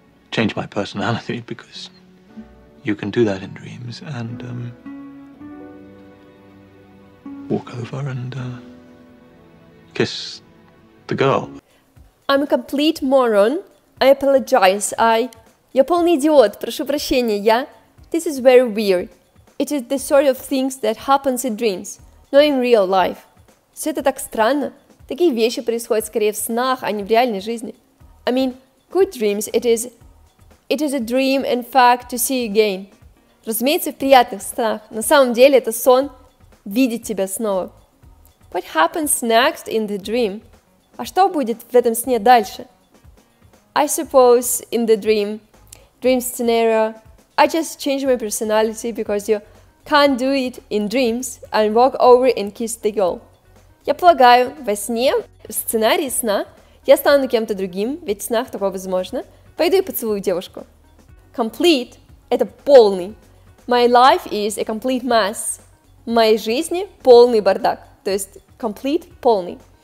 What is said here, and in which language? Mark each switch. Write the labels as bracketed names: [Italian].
[English] change my personality because you can do that in dreams and walk over and kiss the girl. I'm a complete moron. I apologize. [Russian] Я полный идиот. Прошу прощения. [English] This is very weird. It is the sort of things that happens in dreams, not in real life. [Russian] Все это так странно. Такие вещи происходят скорее в снах, а не в реальной жизни. [English] I mean, good dreams. It is a dream, in fact, to see you again. [Russian] Разумеется, в приятных снах. На самом деле, это сон видеть тебя снова. [English] What happens next in the dream? [Russian] А что будет в этом сне дальше? [English] I suppose in the dream scenario, I just change my personality because you can't do it in dreams and walk over and kiss the girl. [Russian] Я полагаю, во сне, в сценарии сна, я стану кем-то другим, ведь в снах такое возможно. Пойду и поцелую девушку. [English] Complete – [Russian] это полный. [English] My life is a complete mess. [Russian] В моей жизни полный бардак. То есть complete – полный.